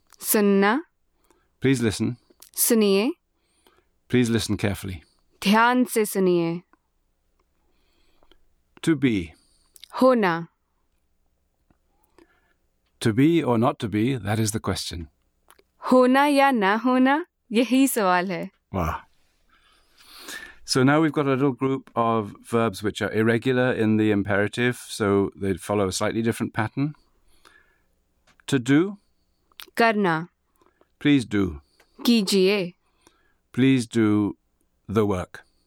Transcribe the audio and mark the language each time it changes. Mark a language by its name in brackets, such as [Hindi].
[Hindi] सुनना. [English] Please listen. [Hindi] सुनिए. [English] Please listen carefully. [Hindi] ध्यान से सुनिए. [English] To be. [Hindi] होना. [English] To be or not to be, that is the question. [Hindi] होना या ना होना, यही सवाल है. [English] Wow. So now we've got a little group of verbs which are irregular in the imperative, so they follow a slightly different pattern. To do. [Hindi] करना. [English] Please do. [Hindi] कीजिए. [English] Please do the work.